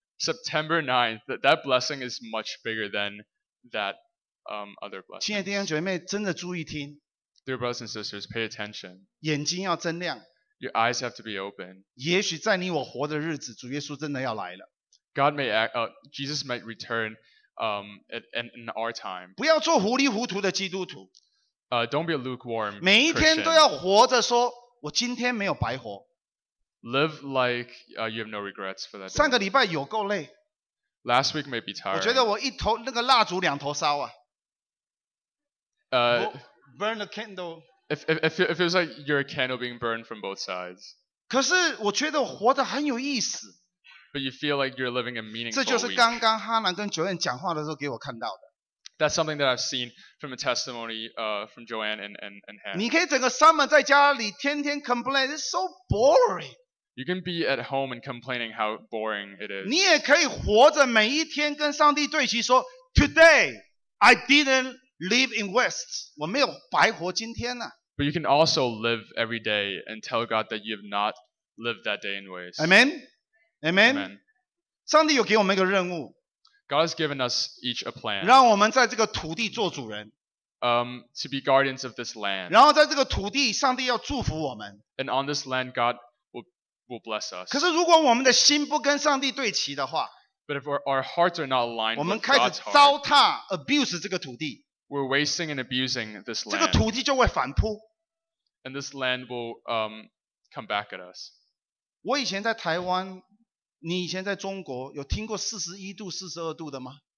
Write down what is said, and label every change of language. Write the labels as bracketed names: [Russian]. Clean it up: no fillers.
[English] September 9th, that blessing is much bigger than that. Other blessings. [Chinese] 亲爱的弟兄姐妹，真的注意听。 [English] Dear brothers and sisters, pay attention. [Chinese] 眼睛要睁亮。 [English] Your eyes have to be open. [Chinese] 也许在你我活的日子，主耶稣真的要来了。 [English] God may act. Jesus might return. In our time. [Chinese] 不要做糊里糊涂的基督徒。 [English] Don't be a lukewarm. [Chinese] 每一天都要活着说，我今天没有白活。 [English] Live like you have no regrets for that. [Chinese] 上个礼拜有够累。 [English] Last week may be tired. [Chinese] 我觉得我一头那个蜡烛两头烧啊。 [English] Burn a candle. If it feels like you're a candle being burned from both sides. [Chinese] 可是我觉得活得很有意思。 [English] But you feel like you're living a meaningful week. [Chinese] 这就是刚刚哈兰跟 Joanne 讲话的时候给我看到的。 [English] That's something that I've seen from a testimony from Joanne and Hannah. [Chinese] 你可以整个 summer 在家里天天 complain, [English] it's so boring. You can be at home and complaining how boring it is. [Chinese] 你也可以活着每一天跟上帝对齐说 ， [English] Today I didn't. Live in West. [Chinese] 我没有白活今天呢。 [English] But you can also live every day and tell God that you have not lived that day in West. Amen. Amen. Amen. [Chinese] 上帝有给我们一个任务。 [English] God has given us each a plan. [Chinese] 让我们在这个土地做主人。 [English] To be guardians of this land. [Chinese] 然后在这个土地，上帝要祝福我们。 [English] And on this land, God will bless us. [Chinese] 可是如果我们的心不跟上帝对齐的话 [English] ，But if our hearts are not aligned, [Chinese] 我们开始糟蹋 abuse 这个土地。 [English] We're wasting and abusing this land. [Chinese] 这个土地就会反扑。 [English] And this land will come back at us. [Chinese] 我以前在台湾，你以前在中国，有听过41度、42度的吗？